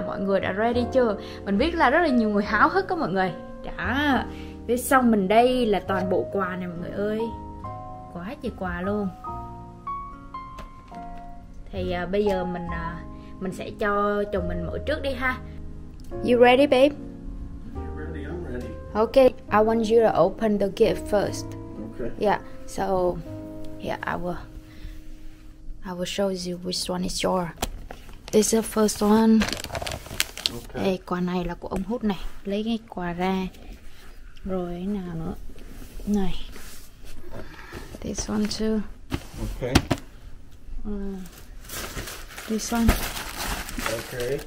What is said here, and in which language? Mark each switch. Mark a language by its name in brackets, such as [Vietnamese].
[Vietnamese] Mọi người đã ready chưa? Mình biết là rất là nhiều người háo hức á mọi người. Đã. Phía sau mình đây là toàn bộ quà này mọi người ơi. Quá trời quà luôn. Thì bây giờ mình sẽ cho chồng mình mở trước đi ha. [English] You ready babe? I'm ready. Okay, I want you to open the gift first. Okay. Yeah. So, yeah, I will show you which one is yours. This is the first one. Okay. [Vietnamese] Ê, quà này là của ông Hút này. Lấy cái quà ra. Rồi cái nào nữa. Này. [English] This one too. Okay. This one. Okay.